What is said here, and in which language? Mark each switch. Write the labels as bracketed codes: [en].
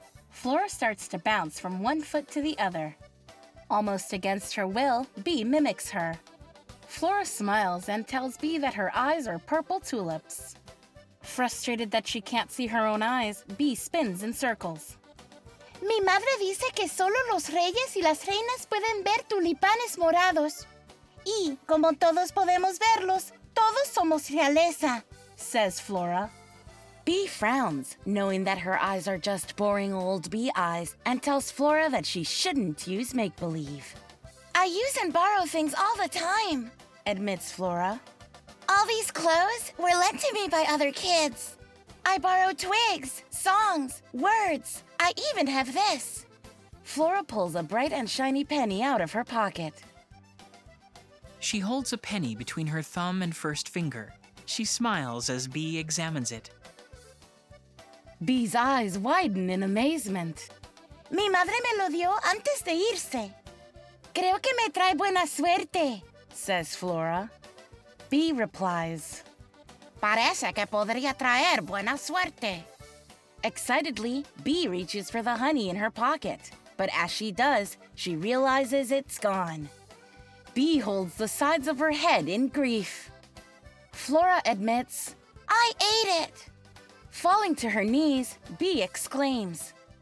[en] Flora starts to bounce from one foot to the other. Almost against her will, Bee mimics her. Flora smiles and tells Bee that her eyes are purple tulips. Frustrated that she can't see her own eyes, Bee spins in circles. [es] Mi madre dice que solo los reyes y las reinas pueden ver tulipanes morados. Y como todos podemos verlos, todos somos realeza, [en] says Flora. Bee frowns, knowing that her eyes are just boring old bee eyes, and tells Flora that she shouldn't use make-believe. I use and borrow things all the time, admits Flora. All these clothes were lent to me by other kids. I borrow twigs, songs, words. I even have this. Flora pulls a bright and shiny penny out of her pocket. She holds a penny between her thumb and first finger. She smiles as Bee examines it. Bee's eyes widen in amazement. [es] Mi madre me lo dio antes de irse. Creo que me trae buena suerte, [en] says Flora. Bee replies, [es] Parece que podría traer buena suerte. [en] Excitedly, Bee reaches for the honey in her pocket, but as she does, she realizes it's gone. Bee holds the sides of her head in grief. Flora admits, I ate it. Falling to her knees, Bee exclaims,